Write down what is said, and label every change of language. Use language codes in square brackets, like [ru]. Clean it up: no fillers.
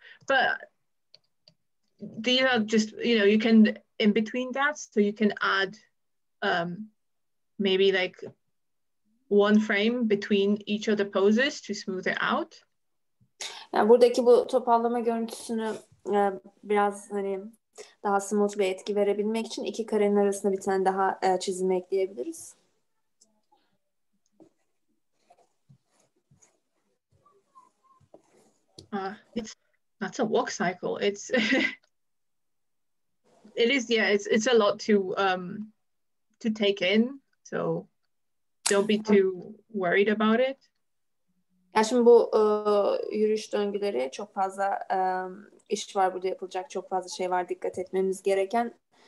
[en] But these are just, you know, you can in between that, so you can add maybe like one frame between each of the poses to smooth it out. [tr] Yani buradaki bu topallama görüntüsünü biraz hani daha smooth bir etki verebilmek için iki karenin arasında bir tane daha çizim ekleyebiliriz. [en] It's not a walk cycle. It's it is, yeah, it's a lot to take in. So don't be too worried about it. [tr] Ya şimdi bu yürüyüş döngüleri çok fazla iş var burada yapılacak, çok fazla şey var dikkat etmemiz gereken.